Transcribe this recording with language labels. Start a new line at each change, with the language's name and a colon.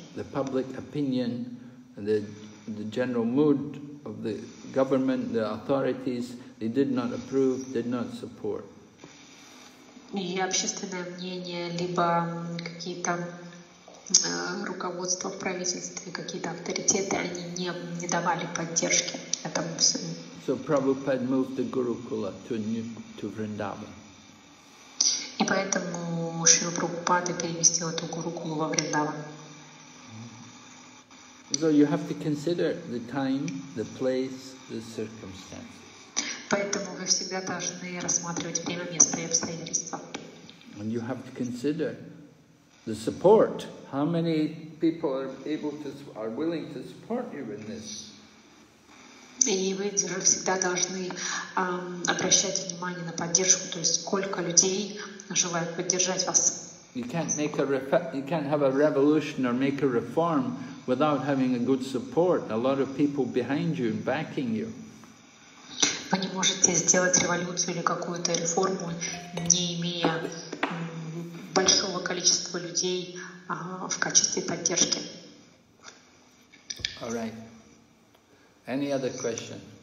English: The public opinion, the general mood of the government, the authorities, they did not approve, did not support.
Russian: И общественное мнение, либо какие-то руководства в правительстве, какие-то авторитеты, они не давали поддержки этому всему.
English: So Prabhupada moved the Gurukula to Vrindavan.
Russian: И поэтому Шрила Прабхупада переместил эту Гурукулу во Вриндаван.
English: So you have to consider the time, the place, the circumstances.
Russian: Поэтому вы всегда должны рассматривать время, место и обстоятельства.
English: And you have to consider the support. How many people are willing to support you in this?
Russian: И вы всегда должны обращать внимание на поддержку, то есть сколько людей желают поддержать вас.
English: You can't have a revolution or make a reform without having a good support, a lot of people behind you and backing you.
Russian: Вы не можете сделать революцию или какую-то реформу, не имея большого количества людей в качестве поддержки.
English: All right. Any other question?